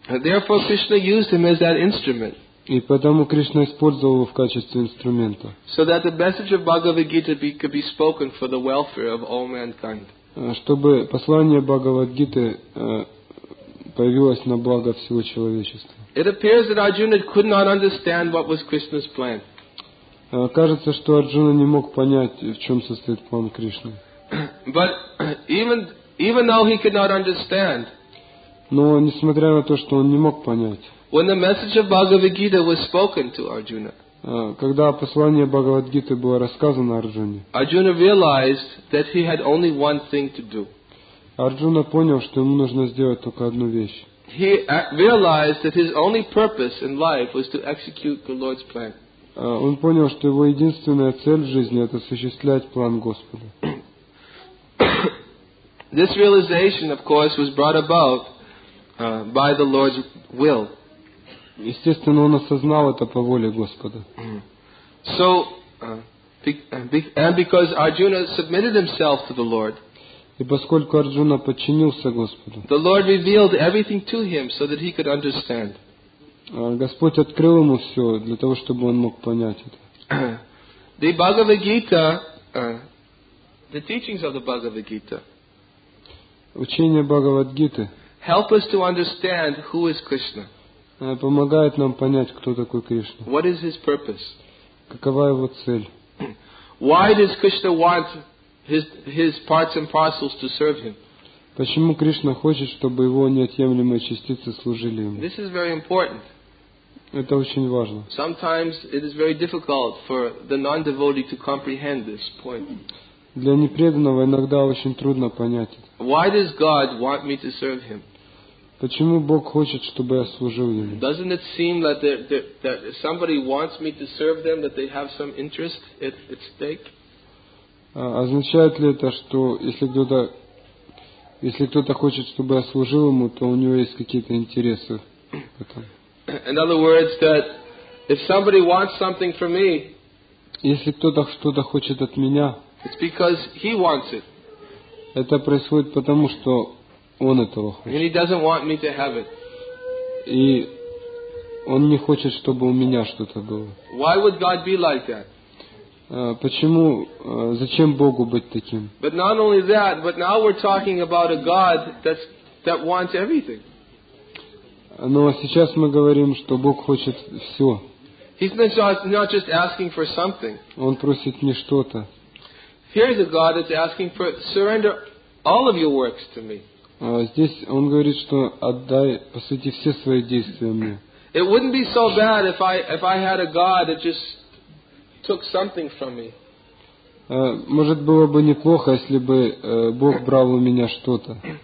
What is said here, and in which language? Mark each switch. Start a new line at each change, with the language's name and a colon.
English: And therefore Krishna used him as that instrument.
Russian: И поэтому Кришна использовал его в качестве инструмента.
English: So that the message of Bhagavad Gita could be spoken for the welfare of all mankind.
Russian: Чтобы послание Бхагавад Гиты появилось на благо всего человечества.
English: It appears that Arjuna could not understand what was Krishna's plan.
Russian: Кажется, что Арджуна не мог понять, в чем состоит план Кришны.
English: But even though he could not understand,
Russian: но несмотря на то, что он не мог понять,
English: when the message of Bhagavad Gita was spoken to Arjuna,
Russian: когда послание Бхагавад Гиты было рассказано Арджуне,
English: Arjuna realized that he had only one thing to do.
Russian: Арджуна понял, что ему нужно сделать только одну вещь.
English: He realized that his only purpose in life was to execute the Lord's plan.
Russian: Он понял, что его единственная цель в жизни — это осуществлять план Господа.
English: This realization, of course, was brought about by the Lord's will.
Russian: Естественно, он осознал это по воле Господа.
English: So, and because Arjuna submitted himself to the Lord,
Russian: и поскольку Арджуна подчинился Господу,
English: the Lord revealed everything to him so that he could understand.
Russian: Господь открыл ему все для того, чтобы он мог понять это.
English: The Bhagavad Gita, the teachings of the Bhagavad Gita,
Russian: учение Бхагавад Гиты,
English: help us to understand who is Krishna.
Russian: Помогает нам понять, кто такой Кришна.
English: What is his purpose?
Russian: Какова его цель?
English: Why does Krishna want his parts and parcels to serve him?
Russian: Почему Кришна хочет, чтобы его неотъемлемые частицы служили ему?
English: This is very important.
Russian: Это очень важно.
English: Sometimes it is very difficult for the non-devotee to comprehend this point.
Russian: Для непреданного иногда очень трудно понять это.
English: Why does God want me to serve him?
Russian: Почему Бог хочет, чтобы я служил ему?
English: Doesn't it seem that that somebody wants me to serve them, that they have some interest at stake?
Russian: Означает ли это, что если кто-то хочет, чтобы я служил ему, то у него есть какие-то интересы в этом?
English: In other words, that if somebody wants something from me,
Russian: если кто-то что-то хочет от меня,
English: it's because he wants it.
Russian: Это происходит потому, что он этого хочет.
English: And he doesn't want me to have it.
Russian: И он не хочет, чтобы у меня что-то было.
English: Why would God be like that?
Russian: Почему, зачем Богу быть таким?
English: But not only that, but now we're talking about a God that wants everything.
Russian: Но сейчас мы говорим, что Бог хочет все.
English: He's not just asking for something.
Russian: Он просит не что-то.
English: Here's a God that's asking for surrender all of your works to me.
Russian: Здесь он говорит, что отдай, посвяти все свои действия мне.
English: It wouldn't be so bad if I had a God that just took something from me.
Russian: Может было бы неплохо, если бы Бог брал у меня что-то.